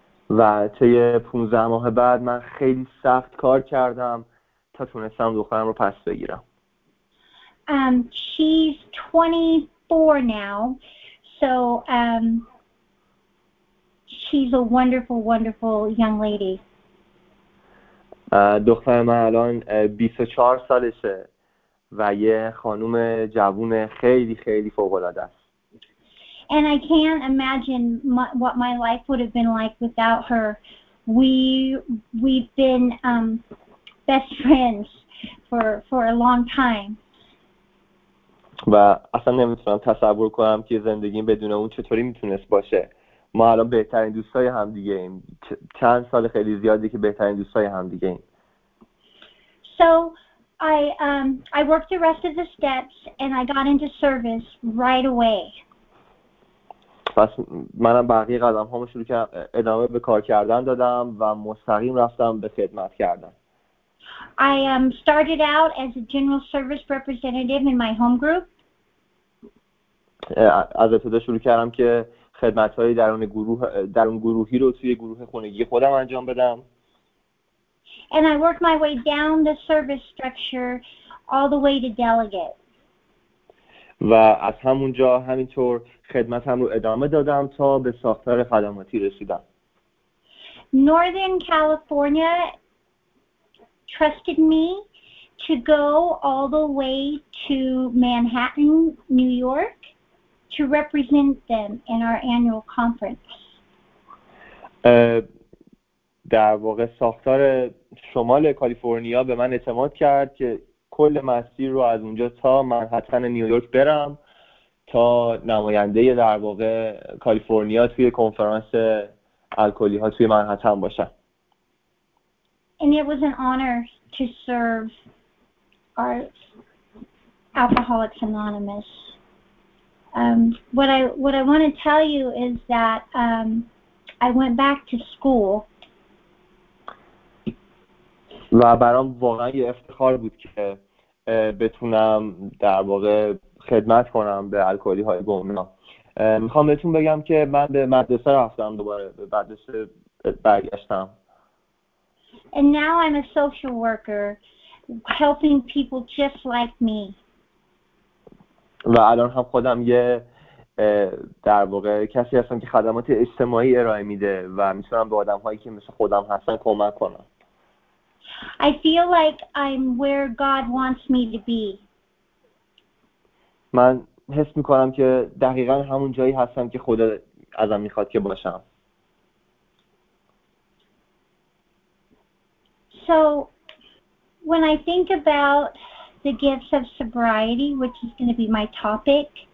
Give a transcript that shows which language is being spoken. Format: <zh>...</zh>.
<fa>و طی 15 ماه بعد من خیلی سخت کار کردم تا تونستم دخترم رو پس بگیرم.</fa> <en>She's 24 now. So she's a wonderful, wonderful young lady.</en> <fa>دختر من الان 24 سالشه و یه خانم جوون خیلی خیلی فوق‌العاده است.</fa> <en>And I can't imagine what my life would have been like without her. We've been best friends for a long time.</en> <fa>و اصلا نمیتونم تصور کنم که زندگیم بدون اون چطوری میتونست باشه. ما الان بهترین دوستای همدیگه ایم. چند سال خیلی زیادی که بهترین دوستای همدیگه ایم.</fa> <en>So I worked the rest of the steps and I got into service right away.</en> <fa>پس منم بقیه قدم هامو شروع کردم ادامه به کار کردن دادم و مستقیم رفتم به خدمت کردن.</fa> <en>I started out as a general service representative in my home group.</en> <fa>از ابتدا شروع کردم که خدمت‌های درون گروه درون گروهی رو توی گروه خانگی خودم انجام بدم.</fa> <en>And I worked my way down the service structure all the way to delegate.</en> <fa>و از همونجا همینطور خدمتم رو ادامه دادم تا به ساختار خدماتی رسیدم.</fa> <en>Northern California trusted me to go all the way to Manhattan, New York. To represent them in our annual conference.</en> <fa>در واقع ساختار شمال کالیفرنیا به من اعتماد کرد که کل مسیر رو از اونجا تا منهتن نیویورک برم تا نماینده در واقع کالیفرنیا توی کنفرانس الکلی ها توی منهتن باشم.</fa> <en>And it was an honor to serve our Alcoholics Anonymous. What I want to tell you is that I went back to school.</en> <fa>و برام واقعا یه افتخار بود که بتونم در واقع خدمت کنم به الکلی های گونا. میخوام بهتون بگم که من به مدرسه رفتم دوباره به مدرسه برگشتم.</fa> <en>And now I'm a social worker helping people just like me.</en> <fa>و الان هم خودم یه در واقع کسی هستم که خدمات اجتماعی ارائه میده و میتونم به آدم‌هایی که مثل خودم هستن کمک کنم.</fa> <en>I feel like I'm where God wants me to be.</en> <fa>من حس می‌کنم که دقیقاً همون جایی هستم که خدا ازم می‌خواد که باشم.</fa> <en>So when I think about the gifts of sobriety, which is going to be my topic.</en>